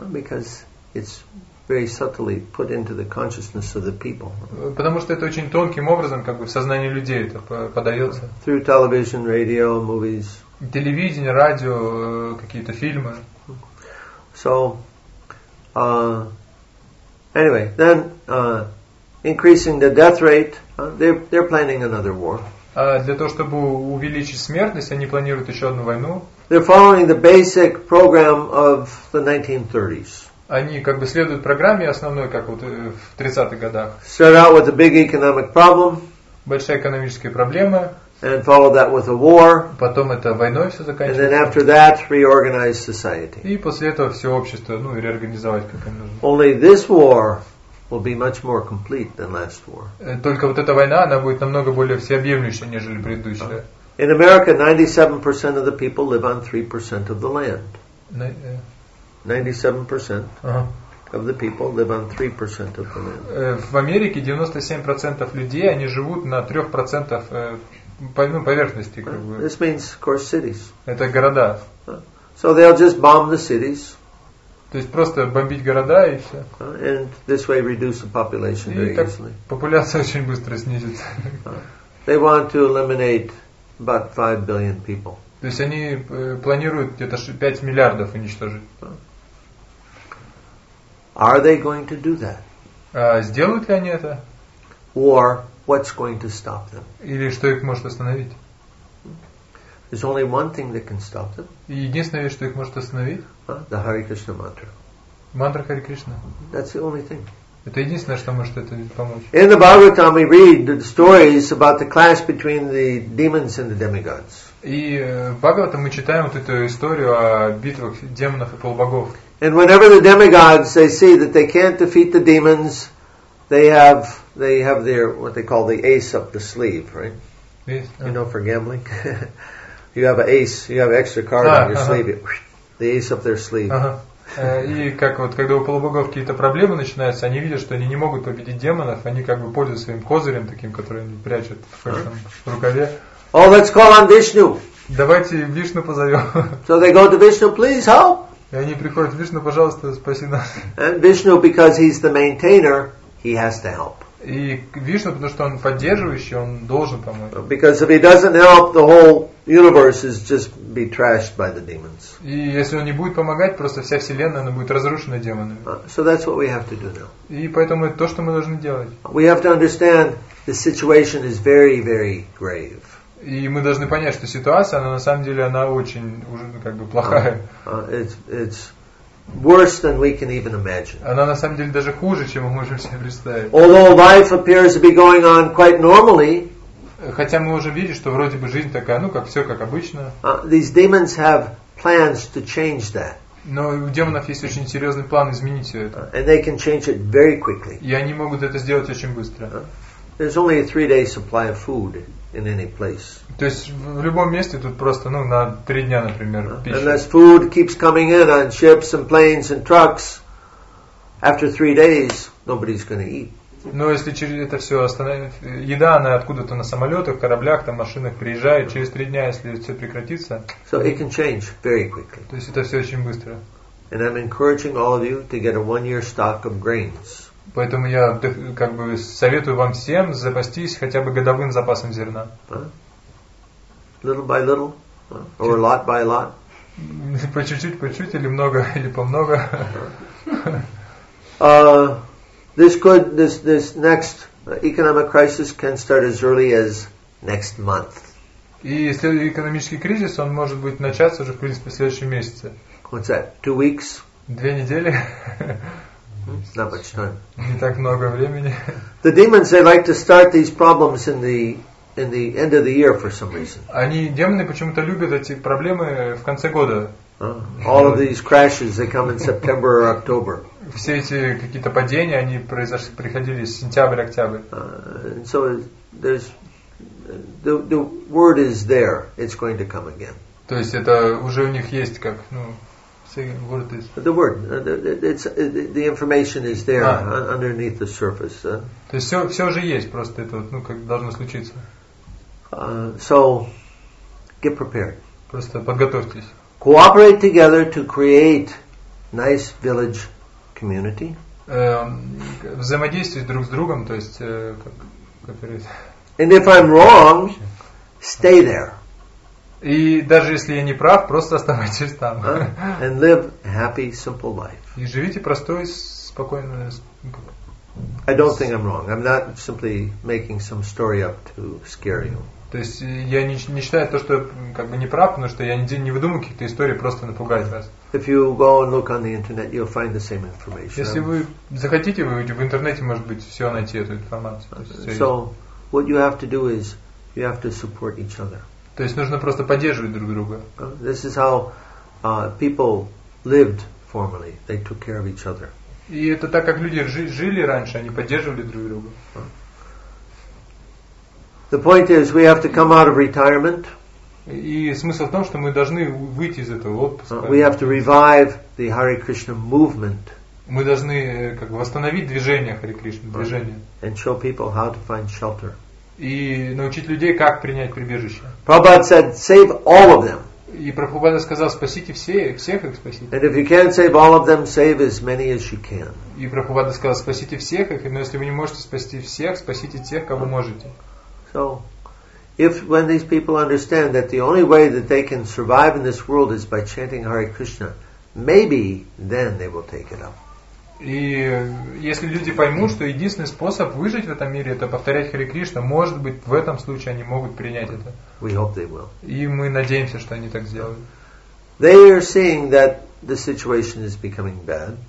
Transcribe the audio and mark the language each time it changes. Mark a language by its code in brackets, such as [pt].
[en] Because it's very subtly put into the consciousness of the people. [ru] Потому что это очень тонким образом, как бы в сознание людей это подается. [en] Through television, radio, movies. [ru] Телевидение, радио, какие-то фильмы. [en] So, anyway, then increasing the death rate, they're planning another war. [ru] Для того чтобы увеличить смертность, они планируют еще одну войну. [en] They're following the basic program of the 1930s. [ru] Они как бы следуют программе основной, как вот в 30-х годах. [en] Start out with a big economic problem. [ru] Большая экономическая проблема. [en] And follow that with a war. [ru] Потом это войной все заканчивается. [en] And then after that, reorganize society. [ru] И после этого все общество, ну, и реорганизовать, как им нужно. [en] Only this war will be much more complete than last war. [ru] Только вот эта война, она будет намного более всеобъемлющая, нежели предыдущая. [en] In America, 97% of the people live on 3% of the land. 97% of the people live on 3% of the land. [ru] В Америке 97% людей они живут на 3% поверхности. [en] This means, of course, cities. [ru] Это города. [en] So they'll just bomb the cities. [ru] То есть просто бомбить города и все. [en] And this way reduce the population very easily. [ru] Популяция очень быстро снизится. [en] They want to eliminate about 5 billion people. [ru] То есть они планируют где-то 5 миллиардов уничтожить. [en] Are they going to do that? [ru] Сделают ли они это? [en] Or what's going to stop them? [ru] Или что их может остановить? [en] There's only one thing that can stop them. [ru] Единственное, что их может остановить? [en] The Hare Krishna mantra. [ru] Мантра Харе Кришна. [en] That's the only thing. [ru] Это единственное, что может это помочь. [en] In the Bhagavatam we read the stories about the clash between the demons and the demigods. [ru] И в Бхагаватам мы читаем вот эту историю о битвах демонов и полубогов. [en] And whenever the demigods, they see that they can't defeat the demons, they have their, what they call the ace up the sleeve, right? Yes. You know, for gambling? You have an ace, you have an extra card on your sleeve, the ace up their sleeve. [ru] И как вот, когда у полубогов какие-то проблемы начинаются, они видят, что они не могут победить демонов, они как бы пользуются своим козырем таким, который они прячут в рукаве. [en] Oh, let's call on Vishnu. [ru] Давайте Вишну позовем. [en] So they go to Vishnu, please help. [ru] И они приходят: Вишну, пожалуйста, спаси нас. [en] And Vishnu, because he's the maintainer, he has to help. [ru] И Вишну, потому что он поддерживающий, он должен помочь. [en] Because if he doesn't help, the whole universe is just be trashed by the demons. [ru] И если он не будет помогать, просто вся вселенная, она будет разрушена демонами. [en] So that's what we have to do now. [ru] И поэтому это то, что мы должны делать. [en] We have to understand the situation is very, very grave. [ru] И мы должны понять, что ситуация, она на самом деле, она очень уже как бы плохая. [en] It's worse than we can even imagine. [ru] Она на самом деле даже хуже, чем мы можем себе представить. [en] Although life appears to be going on quite normally, [ru] хотя мы уже видим, что вроде бы жизнь такая, ну как все как обычно. [en] These demons have plans to change that. [ru] Но у демонов есть очень серьезный план изменить все это. [en] And they can change it very quickly. [ru] И они могут это сделать очень быстро. [en] There's only a 3-day supply of food. In any place. [ru] То есть в любом месте тут просто, ну, на три дня, например, пища. [en] Unless food keeps coming in on ships and planes and trucks, after 3 days, nobody's going to eat. [ru] Но если через это все остановить, еда она откуда-то на самолетах, кораблях, там машинах приезжает. Через 3 дня, если все прекратится. [en] So it can change very quickly. [ru] То есть это все очень быстро. [en] And I'm encouraging all of you to get a 1-year stock of grains. [ru] Поэтому я как бы советую вам всем запастись хотя бы годовым запасом зерна. [en] Little by little, or lot by lot. [ru] По чуть-чуть, по чуть, или много, или помного. [en] This next economic crisis can start as early as next month. [ru] И следующий экономический кризис, он может быть начаться уже в принципе в следующем месяце. [en] What's that? 2 weeks? [ru] 2 недели. [en] Not much time. [ru] Не так много времени. [en] The demons, they like to start these problems in the end of the year for some reason. [ru] Они, демоны, почему-то любят эти проблемы в конце года. [en] All of these crashes, they come in September or October. [ru] Все эти какие-то падения, они приходили с сентября, октября. [en] So there's the word is there. It's going to come again. [ru] То есть это уже у них есть как, ну. [en] The word, it's the information is there underneath the surface. [ru] То есть все уже есть, просто это ну как должно случиться. [en] So get prepared. [ru] Просто подготовьтесь. [en] Cooperate together to create nice village community. [ru] Взаимодействуйте друг с другом, то есть как это. [en] And if I'm wrong, stay there. [ru] И даже если я не прав, просто оставайтесь там. [en] And live happy, simple life. [ru] И живите простой, спокойной. [en] I don't think I'm wrong. I'm not simply making some story up to scare you. [ru] То есть я не считаю то, что как бы не прав, потому что я не выдумываю каких-то историй просто напугать вас. [en] If you go and look on the internet, you'll find the same information. [ru] Если вы захотите, вы в интернете, может быть, все найти эту информацию. [en] So what you have to do is you have to support each other. [ru] То есть нужно просто поддерживать друг друга. [en] This is how people lived formerly. They took care of each other. [ru] И это так, как люди жили раньше, они поддерживали друг друга. [en] The point is, we have to come out of retirement. [ru] И смысл в том, что мы должны выйти из этого отпуска. [en] We have to revive the Hare Krishna movement. [ru] Мы должны как бы восстановить движение Hare Krishna, движение. [en] And show people how to find shelter. [ru] И научить людей, как принять прибежище. [en] Prabhupada said, save all of them. [ru] И Прабхупада сказал, спасите всех их спасите. [en] And if you can't save all of them, save as many as you can. [ru] И Прабхупада сказал, спасите всех их, но если вы не можете спасти всех, спасите тех, кого можете. [en] So, if when these people understand that the only way that they can survive in this world is by chanting Hare Krishna, maybe then they will take it up. [ru] И если люди поймут, что единственный способ выжить в этом мире, это повторять Харе Кришна, может быть, в этом случае они могут принять это. [en] We hope they will. [ru] И мы надеемся, что они так сделают. [en] They are seeing that the situation is becoming bad.